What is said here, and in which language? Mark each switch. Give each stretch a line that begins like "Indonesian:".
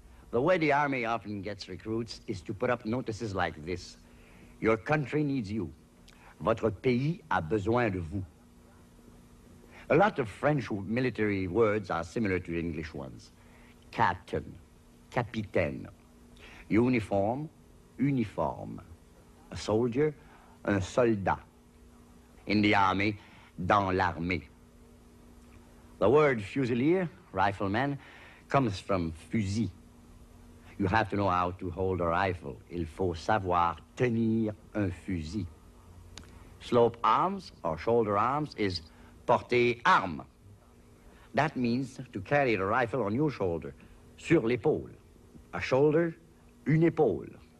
English: The way the army often gets recruits is to put up notices like this. Your country needs you.
French: Votre pays a besoin de vous.
English: A lot of French military words are similar to English ones. Captain, capitaine. Uniform, uniform. A soldier,
French: un soldat.
English: In the army,
French: dans l'armée.
English: The word fusilier, rifleman, comes from fusil. You have to know how to hold a rifle.
French: Il faut savoir tenir un fusil.
English: Slope arms or shoulder arms is
French: porter arme.
English: That means to carry the rifle on your shoulder,
French: sur l'épaule.
English: A shoulder,
French: une épaule.